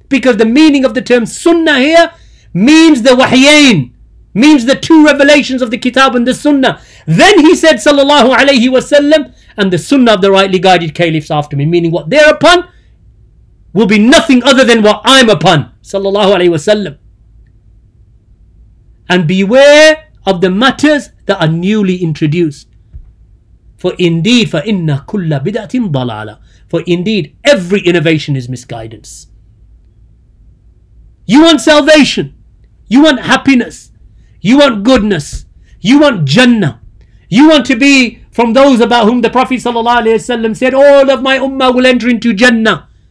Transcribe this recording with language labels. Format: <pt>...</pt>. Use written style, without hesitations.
<en>Because the meaning of the term Sunnah here means the Wahyain, means the two revelations of the Kitab and the Sunnah. Then he said, sallallahu alayhi wa sallam, and the sunnah of the rightly guided caliphs after me, meaning what they're upon will be nothing other than what I'm upon, sallallahu alayhi wasallam. And beware of the matters that are newly introduced. For indeed,</en> <ar>فَإِنَّ كُلَّ بِدَعْتٍ ضَلَالَ.</ar> <en>For indeed, every innovation is misguidance. You want salvation. You want happiness. You want goodness. You want Jannah. You want to be from those about whom the Prophet ﷺ said, all of my ummah will enter into Jannah.</en>